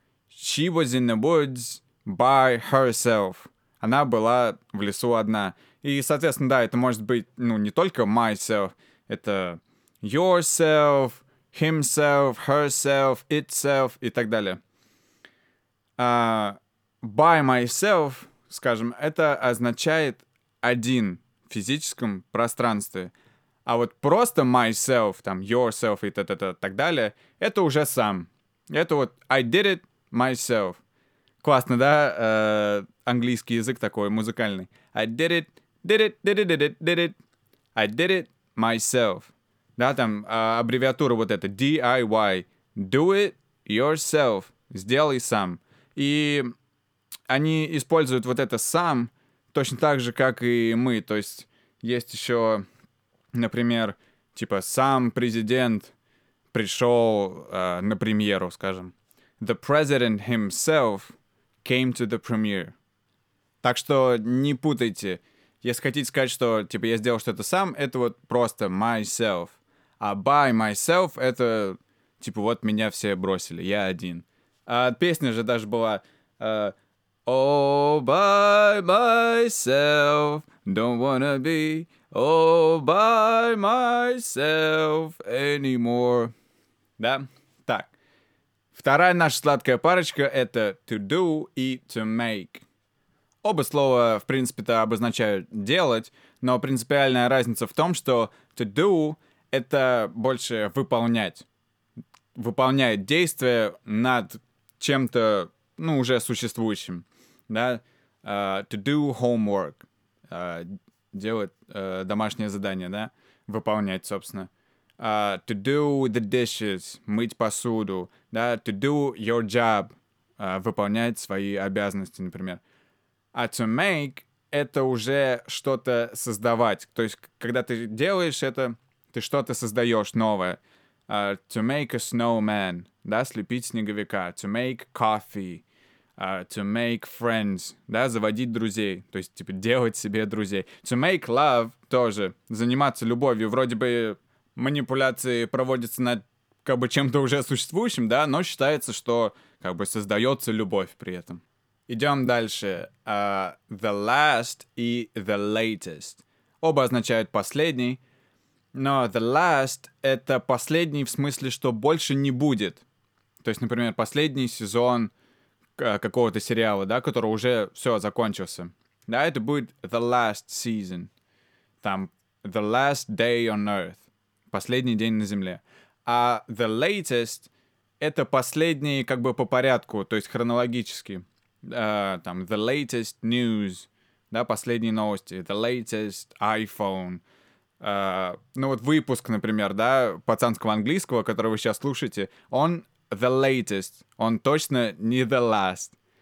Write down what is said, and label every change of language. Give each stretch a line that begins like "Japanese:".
English: She was in the woods by herself.
Russian: Она была в лесу одна. И, соответственно, да, это может быть, ну, не только myself. Это yourself, himself, herself, itself и так далее. By myself, скажем, это означает один в физическом пространстве. А вот просто myself, там, yourself и так далее, это уже сам. Это вот
English: I did it myself.
Russian: Классно, да? Английский язык такой, музыкальный.
English: I did it myself.
Russian: Да, там аббревиатура вот эта, DIY.
English: Do it yourself.
Russian: Сделай сам. И они используют вот это сам точно так же, как и мы. То есть есть еще, например, типа сам президент пришел на премьеру, скажем.
English: The president himself came to the premiere.
Russian: Так что не путайте. Если хотите сказать, что типа я сделал что-то сам, это вот просто myself. А by myself это типа вот меня все бросили, я один. А песня же даже была...
English: All by myself, don't wanna be all by myself anymore.
Russian: Да? Так. Вторая наша сладкая парочка — это to do и to make. Оба слова, в принципе-то, обозначают делать, но принципиальная разница в том, что to do — это больше выполнять. Выполняет действие над чем-то, ну, уже существующим. Да,
English: to do homework,
Russian: делать домашнее задание, да, выполнять, собственно.
English: to do the dishes,
Russian: мыть посуду,
English: да, to do your job,
Russian: выполнять свои обязанности, например. А to make — это уже что-то создавать. То есть, когда ты делаешь это, ты что-то создаешь новое.
English: To make a snowman,
Russian: да, слепить снеговика,
English: to make coffee, to make friends,
Russian: да, заводить друзей, то есть, типа, делать себе друзей.
English: To make love
Russian: тоже, заниматься любовью, вроде бы манипуляции проводятся над, как бы, чем-то уже существующим, да, но считается, что, как бы, создается любовь при этом. Идем дальше.
English: The last и the latest.
Russian: Оба означают последний. Но the last — это последний в смысле, что больше не будет. То есть, например, последний сезон какого-то сериала, да, который уже все закончился. Да, это будет
English: the last season. Там the last day on earth.
Russian: Последний день на Земле. А the latest — это последний как бы по порядку, то есть хронологически. Там
English: the latest news,
Russian: да, последние новости, the latest iPhone — ну вот выпуск, например, да, пацанского английского, который вы сейчас слушаете, он the latest, он точно не the last.